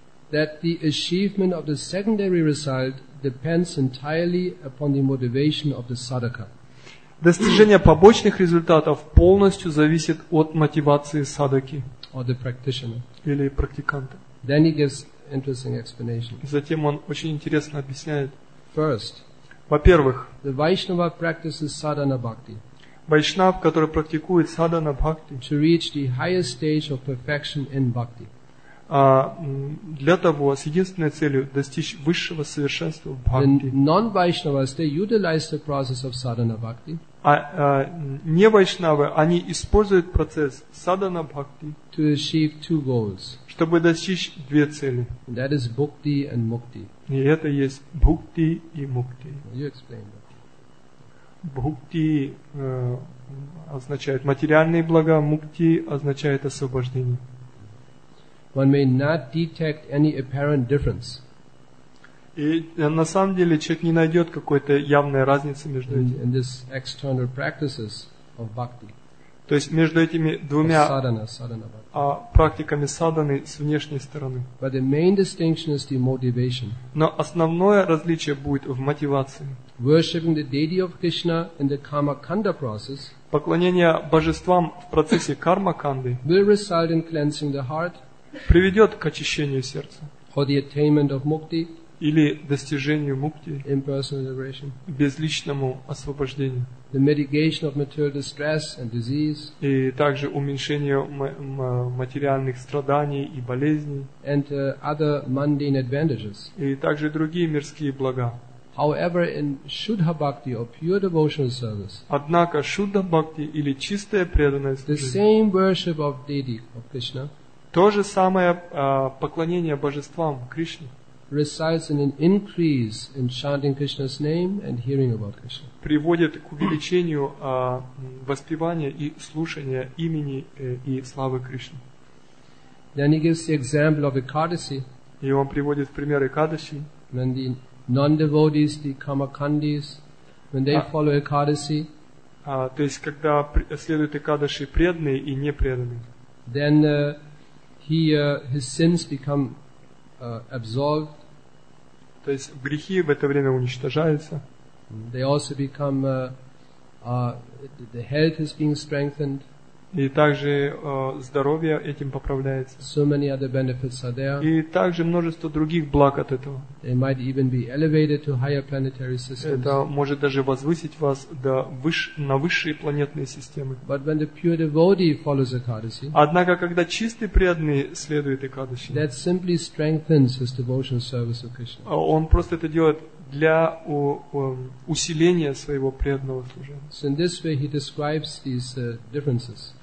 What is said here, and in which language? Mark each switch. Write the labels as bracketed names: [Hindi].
[English] That the achievement of the secondary result depends entirely upon the motivation of the sadhaka. [Russian] Достижение побочных результатов полностью зависит от мотивации садхаки. [English] Or the practitioner. [Russian] Или практиканта. [English] Then he gives interesting explanation. [Russian] Затем он очень интересно объясняет. [English] First. [Russian] Во-первых. [English] The Vaishnava practices sadhana bhakti. [Russian] Вайшнав, который практикует садхана бхакти. [English] To reach the highest stage of perfection in bhakti. [Russian] Для того, с единственной целью достичь высшего совершенства в бхакти. [English] Non-Vaishnavas, they utilize the process of sadhana bhakti. [Russian] Не вайшнавы, они используют процесс sadhana bhakti. [English] To achieve two goals. [Russian] Чтобы достичь две цели. [English] And that is bhakti and mukti. [Russian] И это есть бхакти и мукти. [English] You explain that. [Russian] Бхакти означает материальные блага, мукти означает освобождение. [English] One may not detect any apparent difference. [Russian] И на самом деле человек не найдет какой-то явной разницы между этими. [English] In this external practices of bhakti. [Russian] То есть между этими двумя садхана, практиками садханы с внешней стороны. [English] But the main distinction is the motivation. [Russian] Но основное различие будет в мотивации. [English] Worshipping the deity of Krishna in the karmakanda process. [Russian] Поклонение божествам в процессе кармаканды. [English] Will result in cleansing the heart. [Russian] Приведет к очищению сердца. [English] Or the attainment of mukti, [Russian] или достижению мукти. [English] Impersonal liberation, [Russian] безличному освобождению. [English] The mitigation of material distress and disease, [Russian] и также уменьшению материальных страданий и болезней. [English] And other mundane advantages. [Russian] И также другие мирские блага. [English] However, in Shuddha Bhakti or pure devotional service, [Russian] однако Shuddha Bhakti или чистое преданное служение, [English] the same worship of deity of Krishna, [Russian] то же самое поклонение божествам Кришне [English] resides in an increase in chanting Krishna's name and hearing about Krishna. [Russian] Приводит к увеличению воспевания и слушания имени и славы Кришны. [English] Then he gives the example of Ekadasi. [Russian] И он приводит пример Экадаси. [English] When the non-devotees, the Kamakandis, when they follow Ekadasi. [Russian] То есть когда следует Экадаси преданные и непреданные. [English] Then his sins become absolved. [Russian] То есть грехи в это время уничтожаются. [English] They also become the health is being strengthened. [Russian] И также здоровье этим поправляется. [English] So many other benefits are there. [Russian] И также множество других благ от этого. [English] They might even be elevated to higher planetary systems. [Russian] Это может даже возвысить вас до на высшие планетные системы. [English] But when the pure devotee follows Ekadasi, [Russian] однако когда чистый преданный следует Экадаси, [English] that simply strengthens his devotional service of Krishna. [Russian] Он просто это делает для усиления своего преданного служения. [English] So in this way he describes these differences.